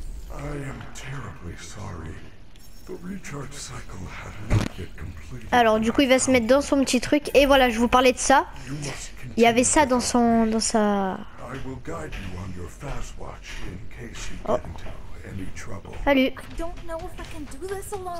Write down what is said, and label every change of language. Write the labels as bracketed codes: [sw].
[en] I am terribly sorry. The recharge cycle had not yet completed. [fr] Alors du coup, il va se mettre dans son petit truc et voilà, je vous parlais de ça. Il y avait ça dans son dans sa [en] I will guide you on your fast watch in case you get into any trouble. [fr] Salut. [en] I don't know if I can do this alone.